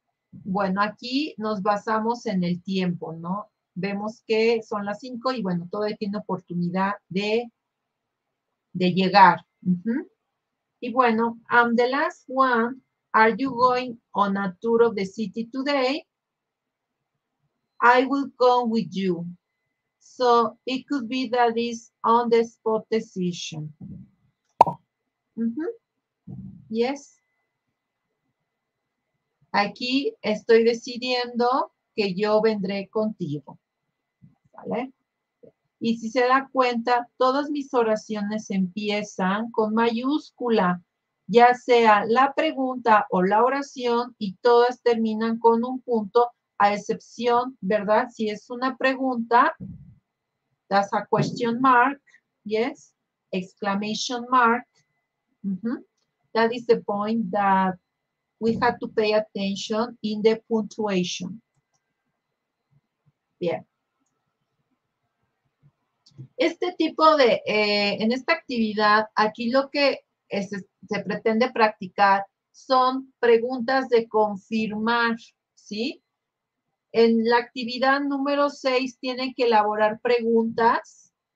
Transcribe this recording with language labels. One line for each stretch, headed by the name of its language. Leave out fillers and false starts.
Spanish: Bueno, aquí nos basamos en el tiempo, ¿no? Vemos que son las 5 y bueno, todavía tiene oportunidad de llegar. Mm-hmm. Y bueno,
English: the last one, are you going on a tour of the city today? I will come with you. So it could be that it's on the spot decision. Mm-hmm. Yes.
Spanish: Aquí estoy decidiendo que yo vendré contigo. ¿Vale? Y si se da cuenta, todas mis oraciones empiezan con mayúscula, ya sea la pregunta o la oración, y todas terminan con un punto, a excepción, ¿verdad? Si es una pregunta,
English: that's a question mark, yes, exclamation mark. Mm-hmm. That is the point that we have to pay attention in the punctuation.
Spanish: Bien. Yeah. Este tipo de, en esta actividad, aquí lo que se pretende practicar son preguntas de confirmar, ¿sí? En la actividad número 6 tienen que elaborar preguntas.